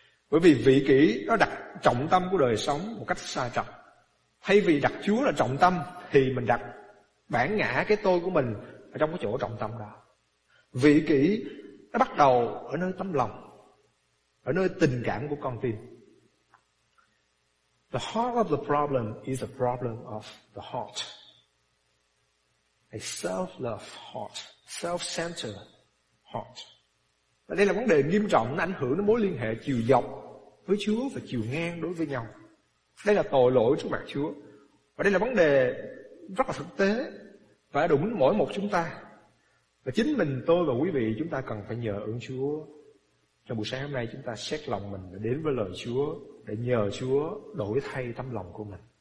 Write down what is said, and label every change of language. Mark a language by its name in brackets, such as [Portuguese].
[Vietnamese] Bởi vì vị kỷ nó đặt trọng tâm của đời sống một cách xa trọng. Thay vì đặt Chúa là trọng tâm thì mình đặt bản ngã, cái tôi của mình ở trong cái chỗ trọng tâm đó. Vị kỷ nó bắt đầu ở nơi tấm lòng, ở nơi tình cảm của con tim. [English] The heart of the problem is the problem of the heart. A self-love heart, self-centered heart. [Vietnamese] Và đây là vấn đề nghiêm trọng, nó ảnh hưởng đến mối liên hệ chiều dọc với Chúa và chiều ngang đối với nhau. Đây là tội lỗi trước mặt Chúa. Và đây là vấn đề rất là thực tế và đụng đến mỗi một chúng ta. Và chính mình tôi và quý vị, chúng ta cần phải nhờ ơn Chúa. Trong buổi sáng hôm nay chúng ta xét lòng mình để đến với lời Chúa, để nhờ Chúa đổi thay tấm lòng của mình.